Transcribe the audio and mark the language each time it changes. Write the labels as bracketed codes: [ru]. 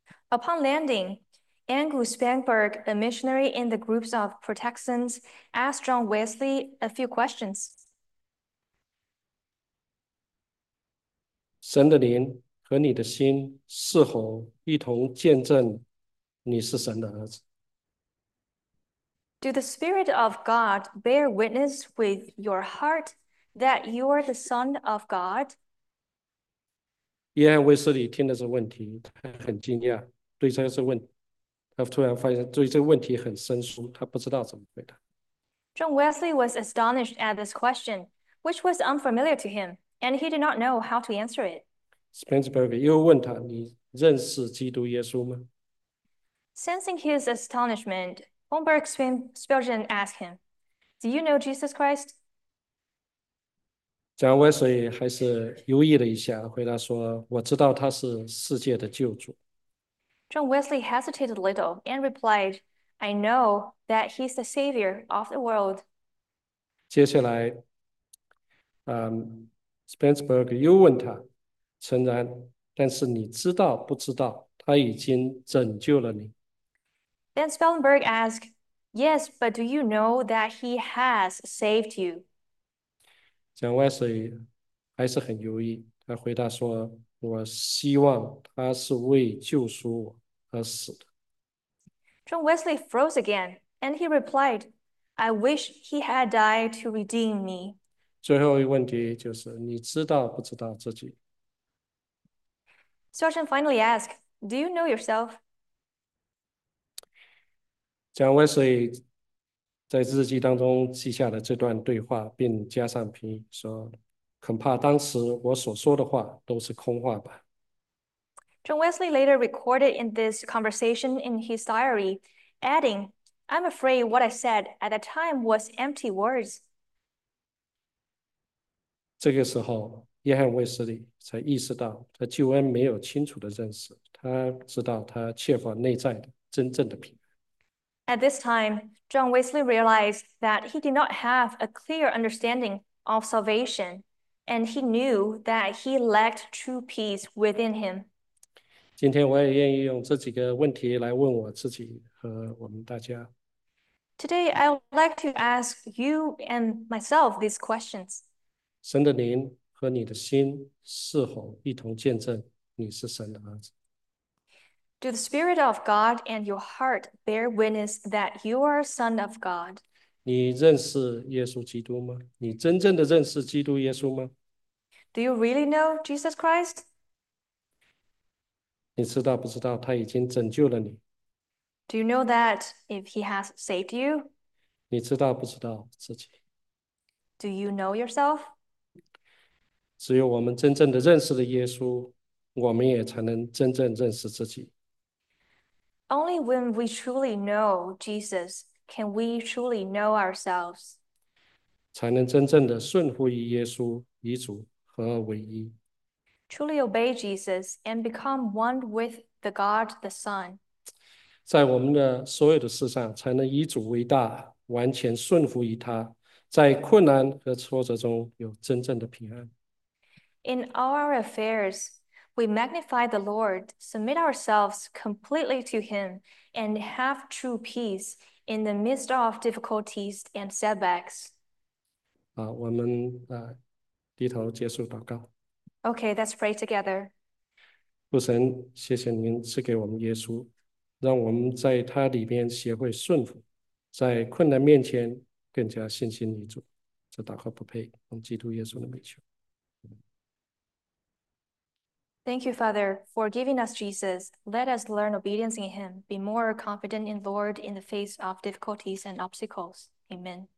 [en] Upon landing, Angus Spangenberg, a missionary in the groups of Protestants, asked John Wesley a few questions. [zh] 神的灵和你的心是否一同见证你是神的儿子？ [en] Do the Spirit of God bear witness with your heart that you are the Son of God? [zh] 约翰·卫斯理听了这问题，他很惊讶，对这个问题，他突然发现对这个问题很生疏，他不知道怎么回答。 [en] John Wesley was astonished at this question, which was unfamiliar to him, and he did not know how to answer it. [zh] Spangenberg 又问他：“你认识基督耶稣吗？” [en] Sensing his astonishment, Holmberg Spurgeon asked him, "Do you know Jesus Christ?" [zh] John Wesley 还是犹豫了一下，回答说：“我知道他是世界的救主。” [en] John Wesley hesitated a little and replied, "I know that he's the savior of the world." [zh] 接下来，Spangenberg 又问他：“诚然，但是你知道不知道他已经拯救了你？” [en] Then Spangenberg asked, "Yes, but do you know that he has saved you?" [zh] John Wesley 还是很犹豫，他回答说：“我希望他是为救赎我而死的。” [en] John Wesley froze again, and he replied, "I wish he had died to redeem me." [zh] 最后一个问题就是：“你知道不知道自己？” [en] Spurgeon finally asked, "Do you know yourself?" [zh] John Wesley 在日记当中记下了这段对话，并加上评语说：“恐怕当时我所说的话都是空话吧。” [en] John Wesley later recorded in this conversation in his diary, adding, "I'm afraid what I said at that time was empty words." [zh] 这个时候，约翰·卫斯理才意识到他救恩没有清楚的认识，他知道他缺乏内在的真正的平安。 [en] At this time, John Wesley realized that he did not have a clear understanding of salvation, and he knew that he lacked true peace within him. [zh] 今天我也愿意用这几个问题来问我自己和我们大家。 [en] Today, I would like to ask you and myself these questions. [zh] 神的灵和你的心是否一同见证你是神的儿子？ [en] Do the Spirit of God and your heart bear witness that you are a son of God? [zh] 你认识耶稣基督吗？你真正的认识基督耶稣吗 [en] ？Do you really know Jesus Christ? [zh] 你知道不知道他已经拯救了你？ [en] Do you know that if he has saved you? [zh] 你知道不知道自己？ [en] Do you know yourself? [zh] 只有我们真正的认识了耶稣，我们也才能真正认识自己。 [en] Only when we truly know Jesus can we truly know ourselves. [zh] 才能真正的顺服于耶稣，以主合而为一。 [en] Truly obey Jesus and become one with the God the Son. [zh] 在我们的所有的事上，才能以主为大，完全顺服于他，在困难和挫折中有真正的平安。 [en] In all our affairs, we magnify the Lord, submit ourselves completely to Him, and have true peace in the midst of difficulties and setbacks. [zh] 我们低头结束祷告。 [en] Okay, let's pray together. [zh] 父神，谢谢您赐给我们耶稣，让我们在他里边学会顺服，在困难面前更加信心立足。这祷告不配，奉基督耶稣的名求。 [en] Thank you, Father, for giving us Jesus. Let us learn obedience in Him, be more confident in the Lord in the face of difficulties and obstacles. Amen.